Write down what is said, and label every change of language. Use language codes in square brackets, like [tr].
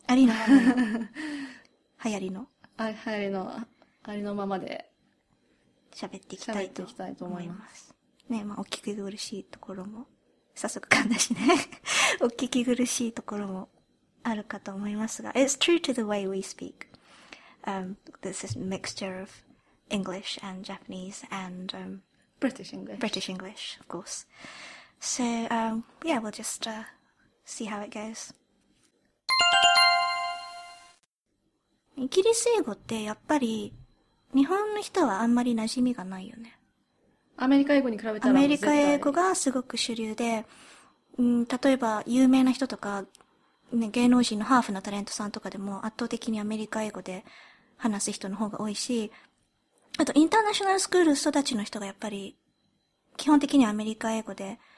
[ja] ありのままの。流行りの。流行りの、ありのままで。喋っていきたいと。喋っていきたいと思います。ね、まあお聞き苦しいところも。早速噛んだしね。お聞き苦しいところもあるかと思いますが。 [en] It's true to the way we speak.、This is a mixture of English and Japanese and、 British English. British English, of course. So,、yeah, we'll just、see how it goes. [ja] イギリス英語ってやっぱり日本の人はあんまり馴染みがないよね。アメリカ英語に比べたら。アメリカ英語がすごく主流で、例えば有名な人とか、ね、芸能人のハーフのタレントさんとかでも圧倒的にアメリカ英語で話す人の方が多いし、あとインターナショナルスクール育ちの人がやっぱり基本的にアメリカ英語で